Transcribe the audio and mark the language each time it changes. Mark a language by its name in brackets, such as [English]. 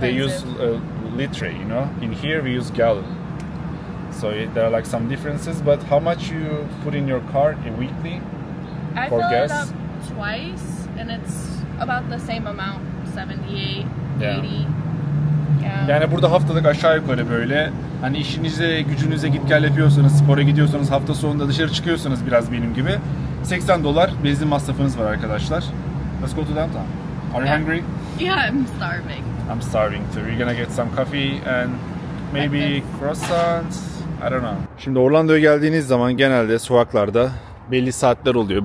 [English] they use litre, you know. In here we use gallon. So there are like some differences, but how much you put in your car in weekly for gas? I fill it up twice, and it's about the same amount, 78, 80. Yeah. [Turkish] Yani burada haftalık aşağı yukarı böyle. Hani işinize, gücünüze git gel yapıyorsanız, spora gidiyorsanız, hafta sonunda dışarı çıkıyorsanız biraz benim gibi. [English] $80 [Turkish] benzin masrafınız var arkadaşlar. [English] Let's go to downtown. Are you hungry? Yeah, I'm starving. I'm starving too. We're gonna get some coffee and maybe croissants. I don't know. [Turkish] Şimdi Orlando'ya geldiğiniz zaman genelde sokaklarda belli saatler oluyor.